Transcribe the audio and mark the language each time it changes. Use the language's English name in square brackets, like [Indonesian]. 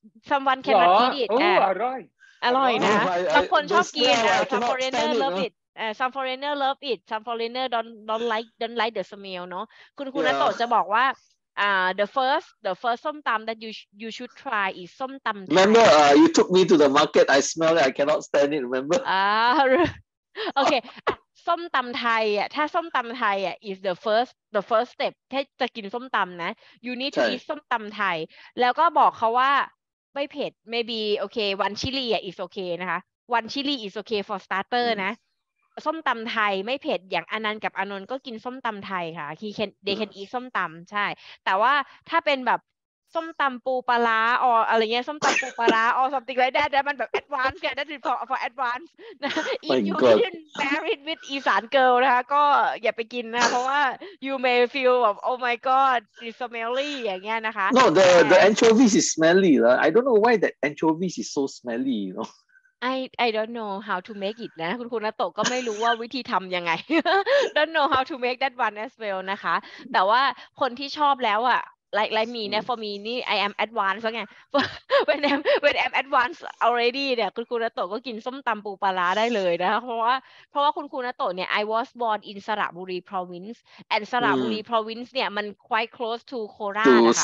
[English] someone cannot eat it [Thai] อร่อย อร่อยนะบางคนชอบกิน [English] some foreigner love it some foreigner love it some foreigner don't like the smell เนาะ [Thai] คุณนัทโตจะบอกว่า [English] the first ส้มตำ that you should try is ส้มตำ remember you took me to the market I smell it I cannot stand it remember okay ส้มตำไทยอ่ะถ้าส้มตำไทยอ่ะ is the first step [Thai] ถ้าจะกินส้มตำนะ [English] you need to eat ส้มตำไทย [Thai] แล้วก็บอกเขาว่าไม่เผ็ด [English] maybe okay one chili is okay นะคะ one chili is okay for starter นะ [Thai] ส้มตำไทยไม่เผ็ดอย่างอนันต์กับอนนท์ก็กินส้มตำไทยค่ะ [English] they can eat [Thai] ส้มตำใช่แต่ว่าถ้าเป็นแบบส้มตำปูปลาอออะไรเงี้ยส้มตำปูปลาออ something like that มันแบบ advance แกนั่นคือ for advance นะ [English] if you didn't married with [Thai] อีสานเกิลนะคะก็อย่าไปกินนะเพราะว่า [English] you may feel [Thai] แบบ [English] oh my god it's smelly [Thai] อย่างเงี้ยนะคะ [English] no the anchovies is smelly lah I don't know why that anchovies is so smelly you know I don't know how to make it [Thai] นะคุณนาโตะก็ไม่รู้ว่าวิธีทำยังไง [English] don't know how to make that one as well [Thai] นะคะแต่ว่าคนที่ชอบแล้วอะ like me เนี่ย for me นี่ [English] I am advanced [Thai] แล้วไง [English] when I'm advanced already [Thai] เนี่ยคุณนาโตะก็กินส้มตำปูปลาได้เลยนะคะเพราะว่าคุณนาโตะเนี่ย [English] I was born in [Thai] สระบุรี province and สระบุรี province เนี่ยมัน quite close to โคราชนะคะ